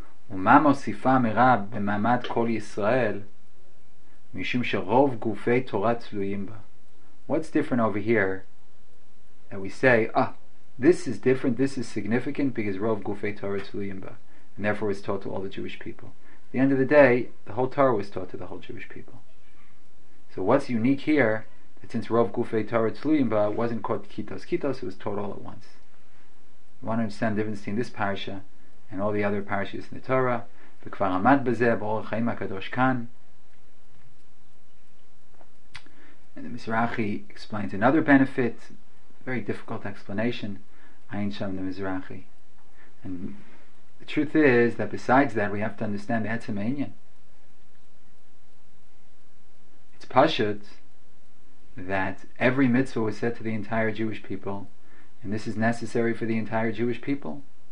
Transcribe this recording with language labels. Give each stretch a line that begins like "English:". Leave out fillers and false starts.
Hebrew: ומה מוסיפה מירה במעמד כל ישראל, משום שרוב גופי תורה תלויים בה.
English: What's different over here that we say, ah, this is different, this is significant, because
Hebrew: רוב גופי תורה תלויים בה,
English: and therefore it's taught to all the Jewish people. At the end of the day, the whole Torah was taught to the whole Jewish people. So what's unique here, that since
Hebrew: רוב גופי תורה תלויים בה,
English: wasn't called Kitos Kitos, it was taught all at once. You want to understand the difference between this parasha and all the other parashas in the Torah.
Hebrew: וכבר עמד בזה באור החיים הקדוש כאן.
English: And the Mizrahi explains another benefit, very difficult explanation, Ayin Sham the Mizrahi. And the truth is that besides that, we have to understand the Etzem Einyan. It's Pashut that every mitzvah was said to the entire Jewish people, and this is necessary for the entire Jewish people.